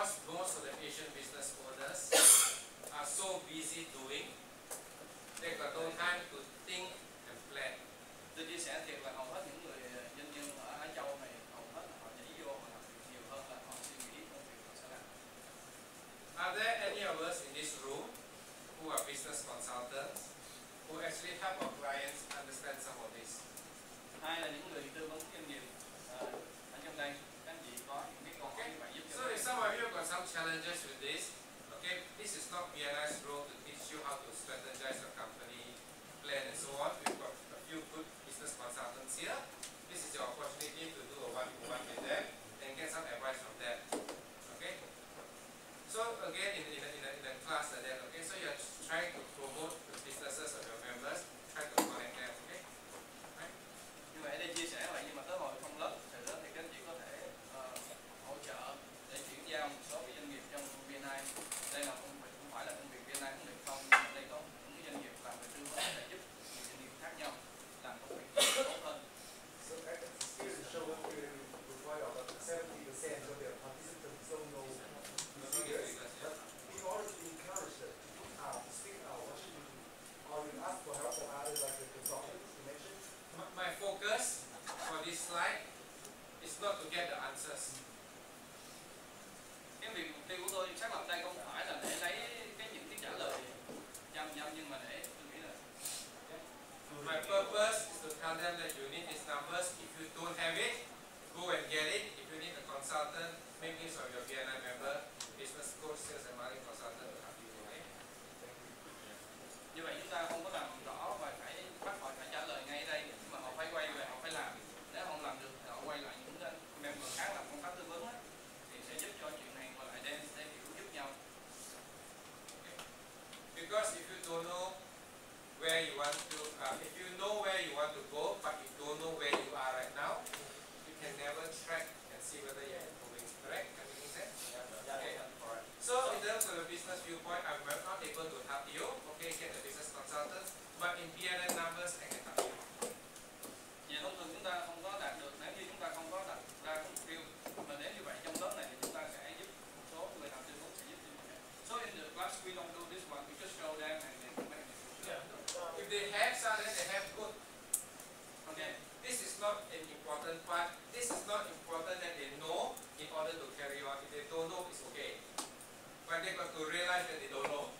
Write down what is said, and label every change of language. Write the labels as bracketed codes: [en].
[en] most of the Asian business owners are so busy doing, they got no time to think and plan. [vi] Tôi chia sẻ thiệt là hầu hết những người nhân viên ở Á Châu này hầu hết là họ nhảy vô và làm việc nhiều hơn là họ suy nghĩ công việc họ sẽ làm. [en] Are there any of us in this room who are business consultants who actually help our clients understand some of this? [vi] Hai là những người tư vấn kinh nghiệm ở trong đây, các anh chị có những cái câu hỏi như vậy giúp cho. [en] So if some of you got some challenges with this, okay, this is not BNI's role to teach you how to strategize your company, plan and so on. We've got a few good business consultants here. This is your opportunity to do a one-on-one with them and get some advice from them. Okay? So again, in the class like that, okay, so you're trying to promote the businesses of your members, try to connect them, okay? [vi] Như vậy đây chia sẻ vậy, nhưng mà tới hồi trong lớp thực tế thì các anh chị có thể hỗ trợ để chuyển giao một số cái doanh nghiệp trong BNI. Đây là không phải là công việc BNI của mình không, nhưng mà đây có những cái doanh nghiệp làm về tư vấn để giúp những doanh nghiệp khác nhau làm công việc tốt hơn. [en] So here to show you require about 70% of their participants don't know English. In order to encourage them to put out, speak out, what should you do? Or you ask for help from others like the consultants you mentioned? My focus for this slide is not to get the answers. [vi] Cái việc mục tiêu của tôi xác lập đây không phải là để lấy cái những cái trả lời nhầm, nhưng mà để tôi nghĩ là [en] my purpose is to tell them that you need these numbers. If you don't have it, go and get it. If you need a consultant, make use of your BNI member, business coach, sales and marketing consultant to help you. Okay? [vi] Như vậy chúng ta không có làm rõ và phải bắt họ phải trả lời ngay đây, nhưng mà họ phải quay về, họ phải làm. Nếu không làm được thì họ quay lại những member khác làm công tác tư vấn ấy, thì sẽ giúp cho chuyện này và lại đem sẽ hiểu giúp nhau. [en] Okay. Because if you don't know where you want to, if you know where you want to go but you don't know where you are right now, you can never track and see whether you're improving, correct? Can you make sense? So in terms of the business viewpoint, I'm not able to help you, okay, get a business consultant, but in BNI numbers, I can help you. [vi] Yeah, thông thường chúng ta không có đạt được nếu như chúng ta không có đặt ra mục tiêu. Mà nếu như vậy trong lớp này thì chúng ta sẽ giúp một số người làm tư vấn sẽ giúp chúng ta. [en] So in the class, we don't do this one, we just show them and then make it. Yeah. If they have something, they have good. Okay. This is not an important part. This is not important that they know in order to carry on. If they don't know, it's okay. But they got to realize that they don't know.